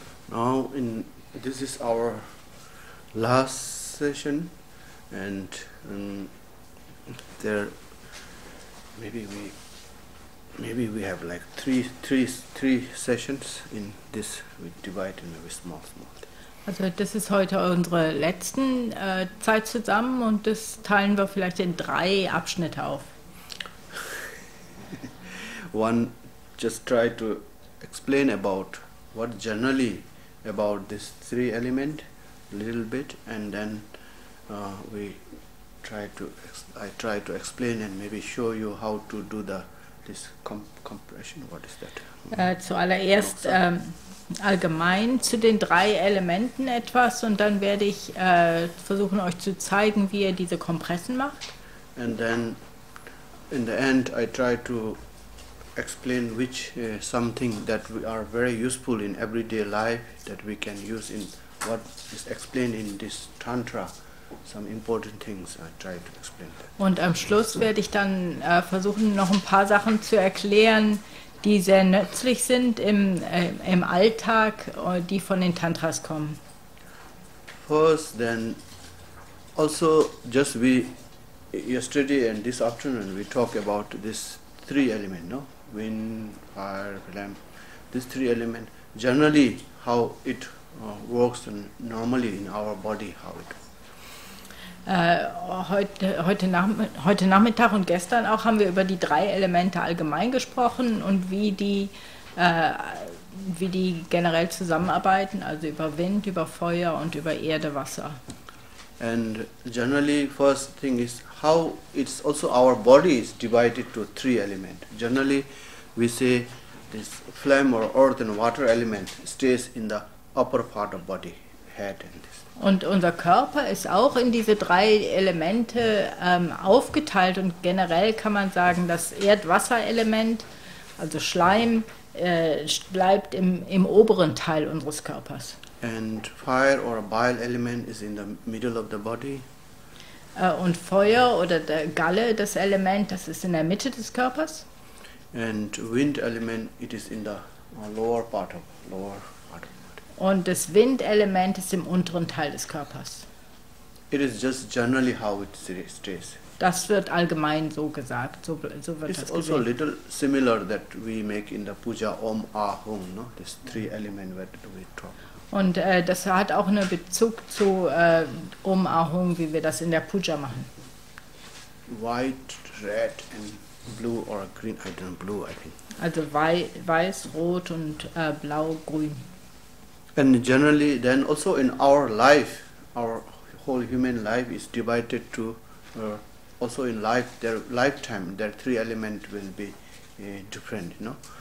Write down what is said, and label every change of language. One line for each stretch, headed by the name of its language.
English: Now in this is our last session, and there maybe we have like three sessions in this. We divide in a small.
German: Also das ist heute unsere letzten Zeit zusammen, und das teilen wir vielleicht in drei Abschnitte auf.
English: One just try to explain about what generally about this three element little bit, and then I try to explain and maybe show you how to do this compression. What is that?
German: Zuallererst allgemein zu den drei Elementen etwas, und dann werde ich versuchen euch zu zeigen, wie ihr diese Kompressen macht.
English: And then in the end I try to explain which something that we are very useful in everyday life that we can use in what is explained in this tantra, some important things I try to explain that.
German: Und am Schluss werde ich dann versuchen, noch ein paar Sachen zu erklären, die sehr nützlich sind im Alltag, die von den Tantras kommen.
English: First then also just we yesterday and this afternoon we talk about this three element, no? Wind, fire, flame, these three elements, generally how it works normally in our body, how it
German: heute Nachmittag und gestern auch haben wir über die drei Elemente allgemein gesprochen und wie die generell zusammenarbeiten, also über Wind, über Feuer und über Erde, Wasser.
English: And generally, first thing is how it's also our body is divided to three elements. Generally, we say this flame or earth and water element stays in the upper part of body, head and this.
German: Und unser Körper ist auch in diese drei Elemente aufgeteilt, und generell kann man sagen, das Erdwasserelement, also Schleim, bleibt im oberen Teil unseres Körpers.
English: And fire or bile element is in the middle of the body.
German: Und Feuer oder der Galle, das Element, das ist in der Mitte des Körpers.
English: And wind element, it is in the lower part of body.
German: Und das Windelement ist im unteren Teil des Körpers.
English: It is just generally how it stays.
German: Das wird allgemein so gesagt, so wird
English: it's
German: das gesehen.
English: It's also a little similar that we make in the puja om ahum, no? This three element that we talk.
German: Und das hat auch einen Bezug zu Om Ahung, wie wir das in der Puja machen.
English: White, red and blue or green, I don't know, blue, I think.
German: Also weiß, rot und blau, grün.
English: And generally then also in our life, our whole human life is divided to, also in life, their lifetime, their three elements will be different, you know.